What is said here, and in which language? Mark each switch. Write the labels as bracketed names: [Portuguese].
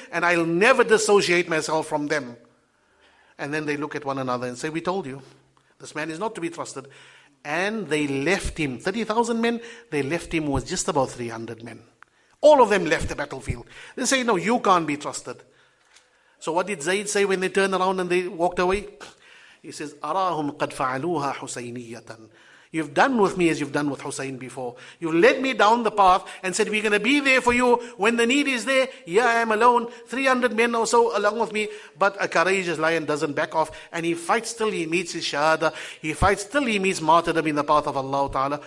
[English] And I'll never dissociate myself from them. And then they look at one another and say, we told you, this man is not to be trusted. And they left him. 30,000 men, they left him with just about 300 men. All of them left the battlefield. They say, no, you can't be trusted. So what did Zayd say when they turned around and they walked away? He says, [Arabic] أَرَاهُمْ قَدْ فَعَلُوهَا حُسَيْنِيَّةً. [English] You've done with me as you've done with Hussein before. You've led me down the path and said, we're going to be there for you when the need is there. Here I am alone, 300 men or so along with me. But a courageous lion doesn't back off. And he fights till he meets his shahada. He fights till he meets martyrdom in the path of Allah Ta'ala.